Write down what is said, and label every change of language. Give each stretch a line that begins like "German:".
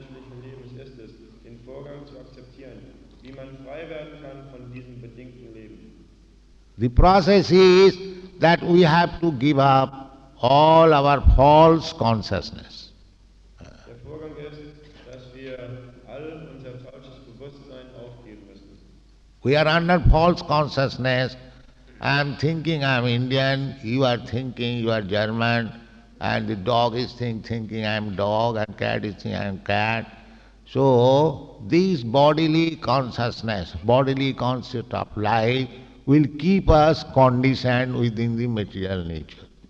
German: akzeptieren, wie man frei werden kann von diesem bedingten Leben.
English: The process is that we have to give up all our false consciousness.
German: Der Vorgang ist, dass wir all unser falsches Bewusstsein aufgeben müssen.
English: We are under false consciousness. I am thinking I am Indian, you are thinking you are German, and the dog is thinking I am dog, and cat is thinking I am cat. So this bodily consciousness, bodily concept of life, will keep us conditioned within the material nature.